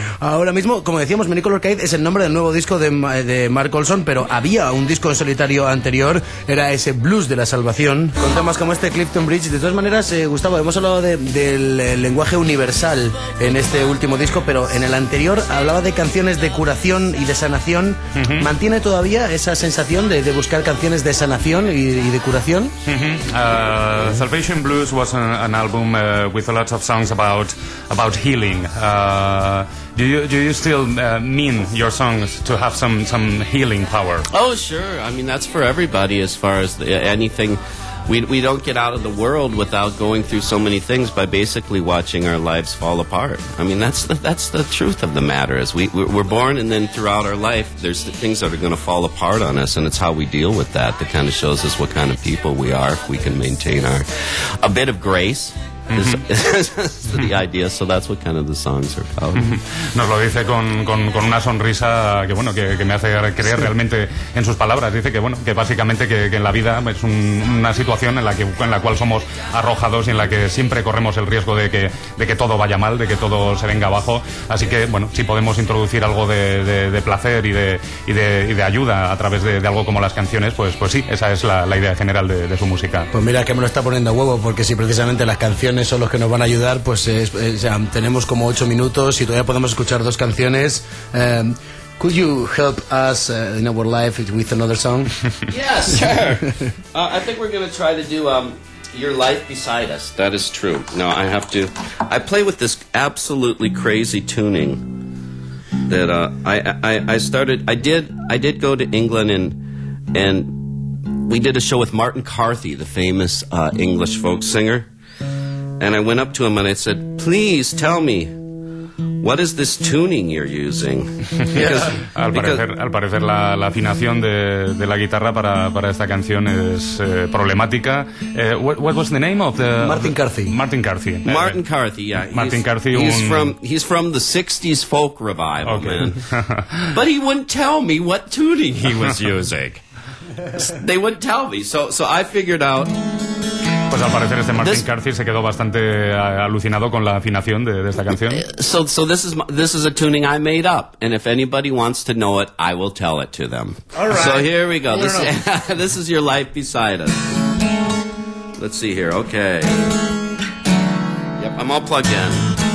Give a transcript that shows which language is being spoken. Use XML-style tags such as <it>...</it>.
<es>Ahora mismo, como decíamos, Many Color Kite es el nombre del nuevo disco de Mark Olson, pero había un disco en solitario anterior, era ese Blues de la Salvación, con temas como este Clifton Bridge. De todas maneras, Gustavo, hemos hablado del lenguaje universal en este último disco, pero en el anterior hablaba de canciones de curación y de sanación. Uh-huh. ¿Mantiene todavía esa sensación de buscar canciones de sanación y de curación?</es> <en>Salvation Blues was an album with a lot of songs about healing. Do you still mean your songs to have some healing power? Oh, sure. I mean, that's for everybody as far as anything. We don't get out of the world without going through so many things by basically watching our lives fall apart. I mean, that's the truth of the matter. Is we're born, and then throughout our life, there's things that are going to fall apart on us, and it's how we deal with that that kind of shows us what kind of people we are, if we can maintain a bit of grace. Mm-hmm. The idea, so that's what kind of the songs are about.</en> <es>Nos lo dice con una sonrisa que, bueno, que me hace creer realmente en sus palabras. Dice que, bueno, que básicamente que en la vida es una situación en la cual somos arrojados y en la que siempre corremos el riesgo de que todo vaya mal, de que todo se venga abajo. Así que, bueno, si podemos introducir algo de placer y de ayuda a través de algo como las canciones, pues sí, esa es la idea general de su música. Pues mira que me lo está poniendo a huevo, porque si precisamente las canciones canciones son los que nos van a ayudar, pues tenemos como 8 minutos y todavía podemos escuchar 2 canciones.</es> <en>Could you help us in our life with another song? Yes, sure. I think we're going to try to do Your Life Beside Us. That is true. No, I have to. I play with this absolutely crazy tuning that I did go to England and we did a show with Martin Carthy, the famous English folk singer. And I went up to him and I said, please tell me, what is this tuning you're using? Because,</en> <es>al parecer la afinación de la guitarra para esta canción es problemática.</es> <en>What was the name of the... Martin Carthy. Martin Carthy, yeah. Martin Carthy. He's from the 60s folk revival, okay. Man. But he wouldn't tell me what tuning he was using. They wouldn't tell me. So I figured out...</en> <es>Pues al parecer este Martin Carthy se quedó bastante alucinado con la afinación de esta canción.</es> <en>So this is a tuning I made up, and if anybody wants to know it, I will tell it to them. All right. So here we go. This is Your Life Beside Us. Let's see here. Okay. Yep, I'm all plugged in.</en>